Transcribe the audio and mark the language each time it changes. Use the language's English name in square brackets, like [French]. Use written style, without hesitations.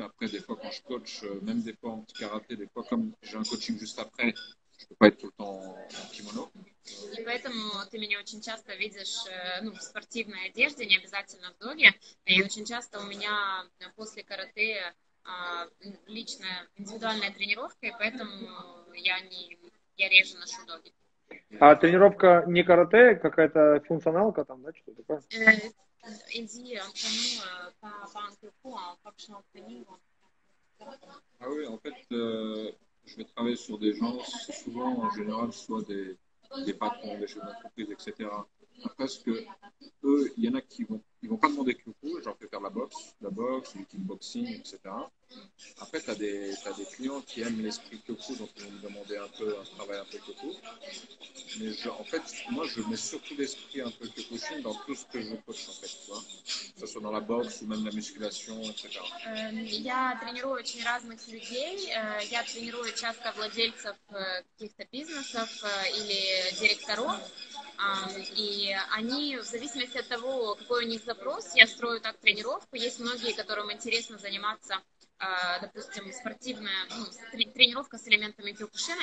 [French] Après, des fois, quand je coach, même des fois en petit karaté, des fois, comme j'ai un coaching juste après, je ne peux pas être tout le temps en kimono. [Russian] И поэтому ты меня очень часто видишь в спортивной одежде, не обязательно в доге. И очень часто у меня после карате личная индивидуальная тренировка, и поэтому я реже ношу доги. А тренировка не карате, какая-то функционалка там, да, что-то такое? Иди, антрену по банкруку, а фокшнл тренингу. А вы, [French] je vais travailler sur des gens, souvent, en général, soit des patrons, des chefs d'entreprise, etc. Parce que eux, il y en a qui vont pas demander Kyoku, genre faire la boxe, le kickboxing, etc. Après, t'as des clients qui aiment l'esprit Kyoku, donc ils vont me demander un peu un travail un peu Kyoku. Mais moi, je mets surtout l'esprit un peu Kyokushin dans tout ce que je coach, en fait, quoi. Que ce soit dans la boxe ou même la musculation, etc. [Russian] Я тренирую очень разных людей. Я тренирую часто владельцев каких-то бизнесов или директоров. И они, в зависимости от того, какой у них запрос, я строю так тренировку. Есть многие, которым интересно заниматься, допустим, спортивная тренировка с элементами кёкушина.